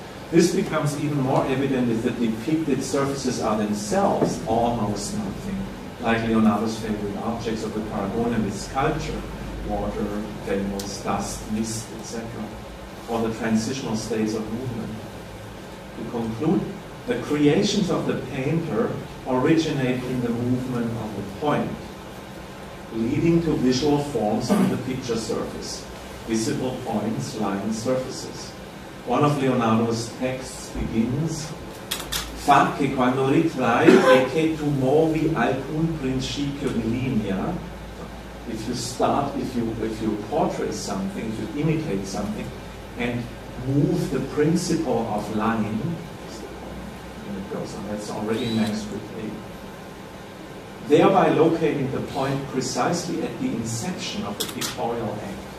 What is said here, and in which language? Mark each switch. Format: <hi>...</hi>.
<en>This becomes even more evident if the depicted surfaces are themselves almost nothing, like Leonardo's favorite objects of the Paragonimist sculpture, water, animals, dust, mist, etc., or the transitional states of movement. To conclude, the creations of the painter originate in the movement of the point, leading to visual forms on the picture surface, visible points, lines, surfaces. One of Leonardo's texts begins,</en> <it>fa che quando ritrai e che tu muovi alcun principio di linea.</it> <en>If you start, if you portray something, if you imitate something, and move the principle of line, and it goes on, that's already in manuscript A, thereby locating the point precisely at the inception of the pictorial act.</en>